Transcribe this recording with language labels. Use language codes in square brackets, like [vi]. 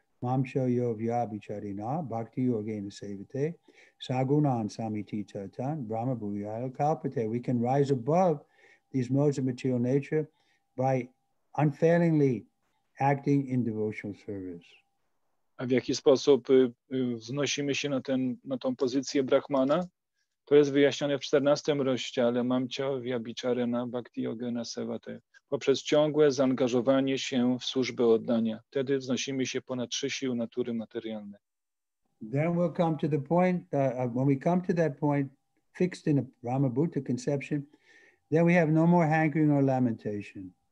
[sa] Mamsha yo vyabhicharina bhakti yogena sevate sagunan samitita tan brahma bhuyayal kalpate. [en] We can rise above these modes of material nature by unfailingly acting in devotional service. [pl] A w jaki sposób wznosimy się na tą pozycję brahmana? To jest wyjaśnione w 14 rozdziale [sa] Mamcha Vyabhicharena Bhakti Yogena Sevate. [pl] Poprzez ciągłe zaangażowanie się w służbę oddania. Wtedy wznosimy się ponad trzy sił natury materialnej. [en] Then we'll come to the point, when we come to that point, fixed in a Brahma Buddha conception, then we have no more hankering or lamentation.